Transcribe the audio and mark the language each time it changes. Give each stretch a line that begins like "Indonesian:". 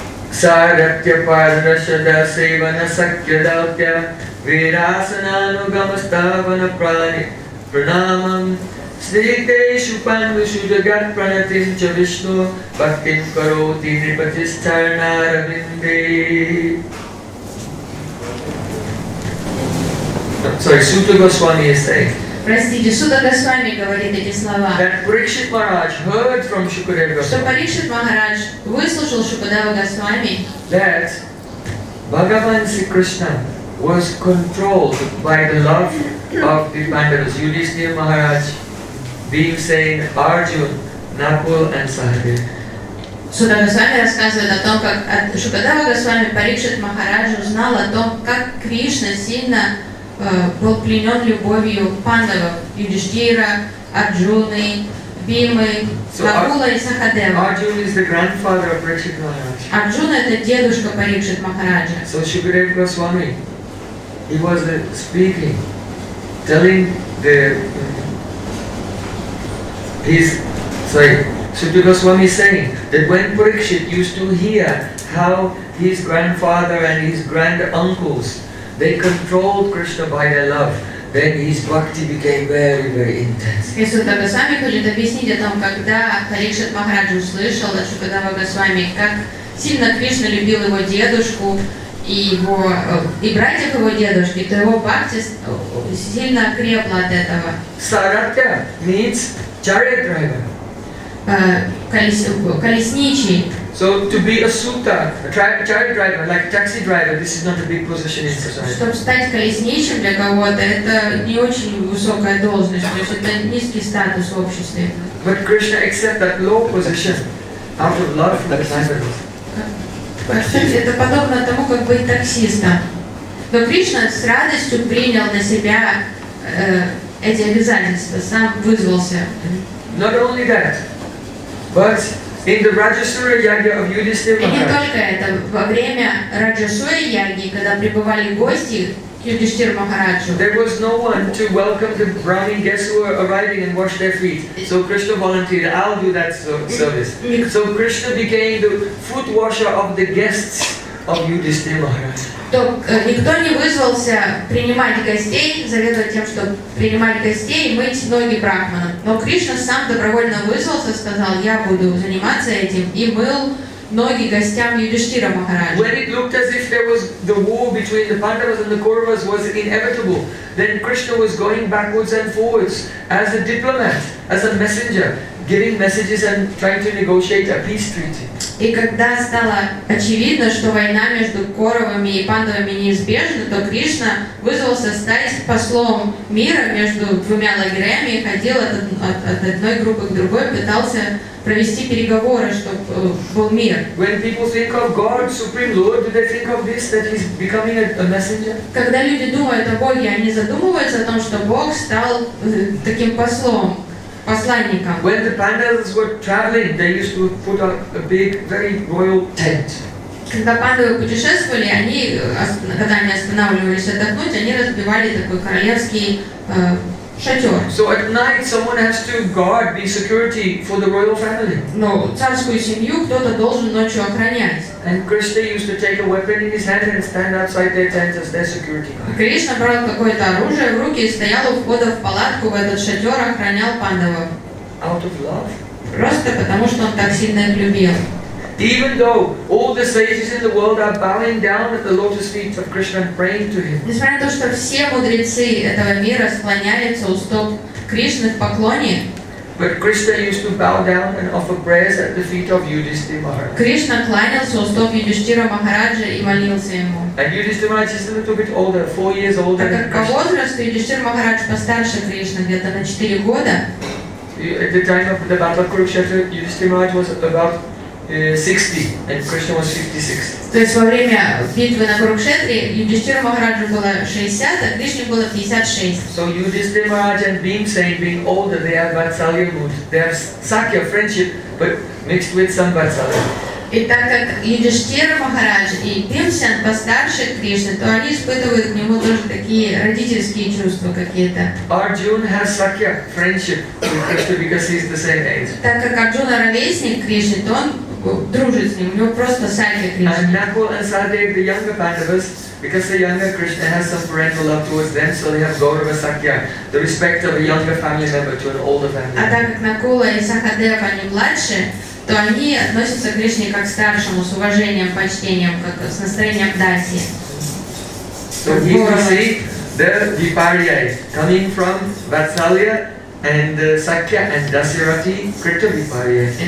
Sanskrit: Саратья Парнашада Сейвана Сакьядалтя Вирасанану Гамаставана Прани Пранамам Сните Шупан Вишуджагат Пранатин Чавишну Бхактин Кароти Нрипатистарна Равинде.
English: Sorry, Sutta Goswami is saying.
Russian: Простите, Сута Госвами говорит эти слова.
English: That Parikshit Maharaj heard from Shukadeva Goswami.
Russian: Что Парикшит Махарадж выслушал Шукадева Госвами.
English: That Bhagavan Sri Krishna was controlled by the love of the Pandavas. Yudhisthira Maharaj, Bhim, saying Arjun, Nakul and Sahadev.
Russian: Сута Госвами рассказывает о том, как Шукадева Госвами Парикшит Махарадж узнал о том, как Кришна сильно был пленен любовью пандавов, Юдиштира, Арджуны, Бимы, Нагула и Сахадева.
English: Arjuna is the grandfather of Parikshit Maharaj.
Russian: Арджуна это дедушка Парикшит Махараджа.
English: So Shukadev Goswami, he was speaking, telling the his sorry, So Durgaswami is saying that when Parikshit used to hear how his grandfather and his grand uncles, they controlled Krishna by their love, then his bhakti became very, very intense.
Russian: Если тогда сами хотят объяснить о том, когда Парикшит Махараджа услышал, что когда Бхагасвами, как сильно Кришна любил его дедушку и его и братьев его дедушки, то его бхакти сильно крепла от этого.
English: Саратя means chariot driver.
Russian: Колесничий.
English: So to be a sutta, chariot driver, like taxi driver, this is not a big position in society.
Russian: Чтобы стать колесничим для кого-то, это не очень высокая должность, то есть это низкий статус в обществе.
English: But Krishna accepts that low position out of love for the disciples.
Russian: Это подобно тому, как быть таксистом. Но Кришна с радостью принял на себя эти обязательства, сам вызвался.
English: Not only that, but in the Rajasura Yagya of Yudhisthira Maharaj.
Russian: И не только это. Во время Раджасура Яги, когда прибывали гости к Юдхиштхире Махараджу,
English: there was no one to welcome the Brahmin guests who were arriving and wash their feet. So Krishna volunteered, I'll do that service. So Krishna became the foot washer of the guests of Yudhisthira Maharaj.
Russian: То никто не вызвался принимать гостей, заведовать тем, что принимать гостей и мыть ноги брахмана. Но Кришна сам добровольно вызвался, сказал, я буду заниматься этим, и мыл ноги гостям Юдиштира Махараджа.
English: When it looked as if there was the war between the Pandavas and the Kauravas was inevitable, then Krishna was going backwards and forwards as a diplomat, as a messenger, giving messages and trying to negotiate a peace treaty.
Russian: И когда стало очевидно, что война между Коровами и Пандавами неизбежна, то Кришна вызвался стать послом мира между двумя лагерями и ходил от одной группы к другой, пытался провести переговоры, чтобы был мир.
English: When people think of God, Supreme Lord, do they think of this, that he's becoming a messenger?
Russian: Когда люди думают о Боге, они задумываются о том, что Бог стал таким послом.
English: When the Pandavas were traveling, they used to put up a big, very royal tent.
Russian: Когда Пандавы путешествовали, они, когда они останавливались отдохнуть, они разбивали такой королевский шатер.
English: So at night, someone has to guard, be security for the royal family.
Russian: Но царскую семью кто-то должен ночью охранять.
English: And Krishna used to take a weapon in his hand and stand outside their tents as their security guard.
Russian: Кришна брал какое-то оружие в руки и стоял у входа в палатку в этот шатер, охранял пандавов.
English: Out of love.
Russian: Просто потому что он так сильно их любил.
English: Even though all the sages in the world are bowing down at the lotus feet of Krishna and praying to him.
Russian: Несмотря на то, что все мудрецы этого мира склоняются у стоп Кришны в поклоне.
English: But Krishna used to bow down and offer prayers at the feet of Yudhisthira Maharaj.
Russian: Кришна кланялся у стоп Юдхиштхира Махараджа и молился ему.
English: And Yudhisthira Maharaj is a little bit older, 4 years older than Krishna.
Russian: Так как по возрасту Юдхиштхира Махарадж постарше Кришны, где-то на 4 года.
English: At the time of the battle of Kurukshetra, Yudhisthira Maharaj was about 60 and Krishna was 56.
Russian: То есть во время битвы на Курукшетре Юдхиштхира Махараджа было 60, а Кришне было 56.
English: So Yudhisthira Maharaj and Bhimsen, being older, they have Vatsalya mood. They have Sakya friendship, but mixed with some Vatsalya.
Russian: И так как Юдхиштхира Махарадж и Бхимсен постарше Кришны, то они испытывают к нему тоже такие родительские чувства какие-то.
English: Arjuna has Sakya friendship with Krishna because he's the same age.
Russian: Так как Арджуна ровесник Кришны, то он дружит с ним, у него просто Сакья Кришна.
English: And Nakul and Sahadev, the younger Pandavas, because the younger Krishna has some parental love towards them, so they have Gaurava Sakya, the respect of a younger family member to an older family.
Russian: А так как Nakula и Sahadev, они младше, то они относятся к Кришне как к старшему, с уважением, почтением, как с настроением даси.
English: So here we see the Viparyai coming from Vatsalya and Sakya and Dasyarati Krita Viparyai.